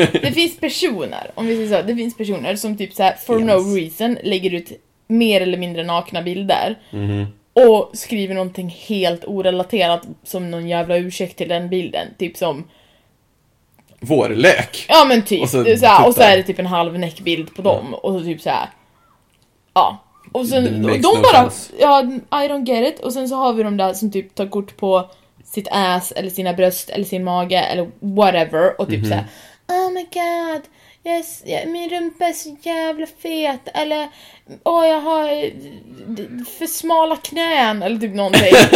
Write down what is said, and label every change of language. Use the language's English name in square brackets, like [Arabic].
[Swedish] Det finns personer, om vi säger så. Det finns personer som typ så här [English] for no reason [Swedish] lägger ut mer eller mindre nakna bilder. Mm-hmm. Och skriver någonting helt orelaterat som någon jävla ursäkt till den bilden. Typ som... Vårlök. Ja, men typ. Och så är det typ en halv näckbild på dem. Ja. Och så typ så här. Ja. Och sen, de no bara, ja, [English] I don't get it. [Swedish] Och sen så har vi de där som typ tar kort på sitt ass, eller sina bröst, eller sin mage, eller whatever. Och typ såhär, [English] oh my god, yes, [Swedish] min rumpa är så jävla fet. Eller, åh, jag har för smala knän, eller typ någonting.